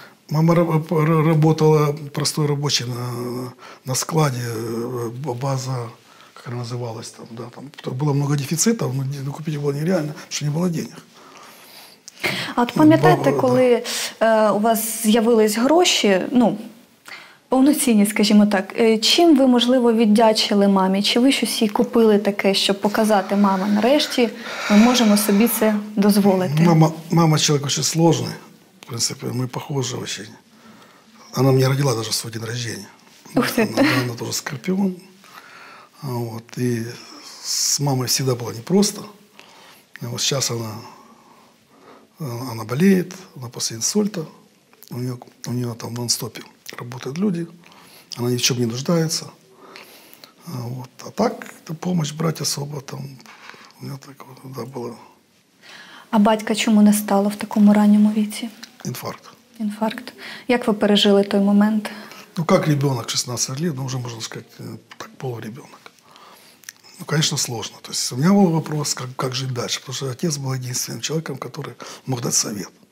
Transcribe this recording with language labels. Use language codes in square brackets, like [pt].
[ru] Мама работала простой рабочей на складе, база, как она называлась там, да, там было много дефицитов, но купить было нереально, потому что не было денег. [uk] А от пам'ятаєте, коли да. У вас з'явились гроші, ну, повноцінні, скажімо так. Чим ви, можливо, віддячили мамі? Чи ви щось їй купили таке, щоб показати мамі? Нарешті ми можемо собі це дозволити. Мама – чоловік дуже складний. В принципі, ми схожі дуже. Вона мені родила навіть в свій день народження. Ух ти. Вона теж скорпіон. Вот. [ru] И с мамой всегда было непросто. Вот сейчас она болеет, она после инсульта. У нее там в нон-стопе работают люди. Она ни в чем не нуждается. Вот. А так, помощь брать особо, там, у меня так вот, да, было. [uk] А батька чому не стало в такому ранньому віці? Інфаркт. Інфаркт. Як ви пережили той момент? Ну, як ребенок 16 років, ну, вже можна сказати, так, полуребенок. Ну, звісно, сложно. Тобто, у мене був вопрос, як жити далі, тому що отець був єдиним чоловіком, який мог дати совет.